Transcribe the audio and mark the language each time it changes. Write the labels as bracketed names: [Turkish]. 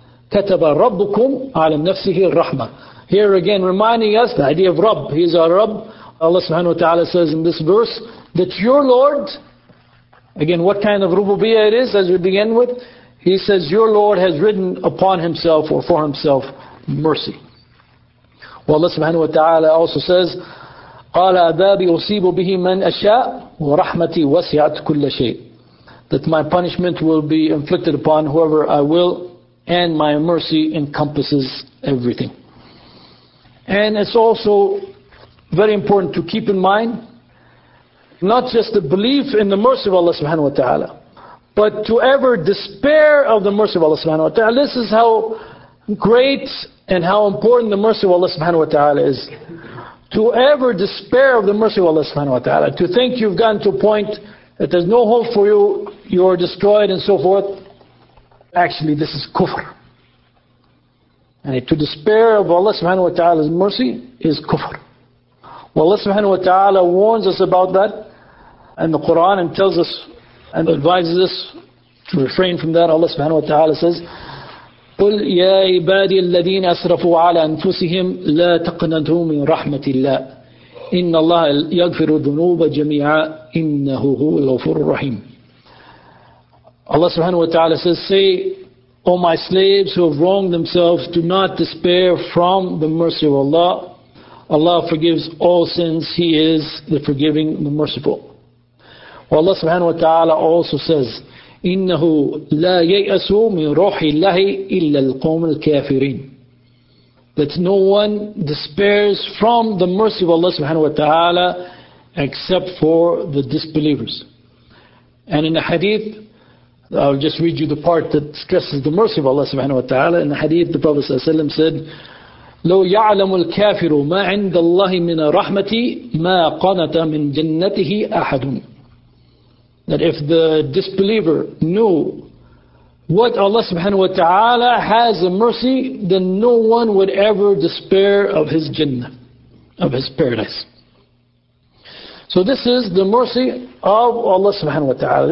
[Arabic] كَتَبَ رَبُّكُمْ عَلَى نَفْسِهِ الرَّحْمَةِ. [English] Here again reminding us the idea of Rabb. He is our Rabb. Allah subhanahu wa ta'ala says in this verse that your Lord, again, what kind of rububiyyah it is as we begin with, He says your Lord has written upon Himself or for Himself mercy. Well, Allah subhanahu wa ta'ala also says, [Arabic] قَالَ عَذَابِي أُصِيبُ بِهِ مَنْ أَشَاءُ وَرَحْمَتِي وَسِعَتْ كُلَّ شَيْءٍ. [English] That my punishment will be inflicted upon whoever I will, and my mercy encompasses everything. And it's also very important to keep in mind not just the belief in the mercy of Allah subhanahu wa ta'ala, but to ever despair of the mercy of Allah subhanahu wa ta'ala. This is how great and how important the mercy of Allah subhanahu wa ta'ala is. To ever despair of the mercy of Allah subhanahu wa ta'ala. To think you've gotten to a point that there's no hope for you, you are destroyed and so forth, actually this is kufr. And to despair of Allah subhanahu wa ta'ala's mercy is kufr. Well, Allah subhanahu wa ta'ala warns us about that and the Quran and tells us and advises us to refrain from that. Allah subhanahu wa ta'ala says, [Arabic] قُلْ يَا عِبَادِيَ الَّذِينَ أَسْرَفُوا عَلَىٰ أَنفُسِهِمْ لَا تَقْنَتُوا مِنْ رَحْمَةِ اللَّهِ إِنَّ اللَّهَ يَغْفِرُ الذُّنُوبَ جَمِيعًا إِنَّهُ هُوَ الْغَفُورُ الرَّحِيمُ. [English] Allah subhanahu wa ta'ala says, say, O my slaves who have wronged themselves, do not despair from the mercy of Allah. Allah forgives all sins. He is the forgiving, the merciful. Well, Allah subhanahu wa ta'ala also says, [Arabic] إِنَّهُ لَا يَيْأَسُوا مِنْ رُوحِ اللَّهِ إِلَّا الْقَوْمِ الْكَافِرِينَ. [English] That no one despairs from the mercy of Allah subhanahu wa ta'ala except for the disbelievers. And in the hadith, I'll just read you the part that stresses the mercy of Allah subhanahu wa ta'ala. In the hadith, the Prophet sallallahu alayhi wa sallam said, [Arabic] لَوْ يَعْلَمُ الْكَافِرُ مَا عِنْدَ اللَّهِ مِنَ رَحْمَةِ مَا قَنَتَ مِنْ جَنَّتِهِ أَحَدٌ. [English] That if the disbeliever knew what Allah subhanahu wa ta'ala has in mercy, then no one would ever despair of his jannah, of his paradise. So this is the mercy of Allah subhanahu wa ta'ala.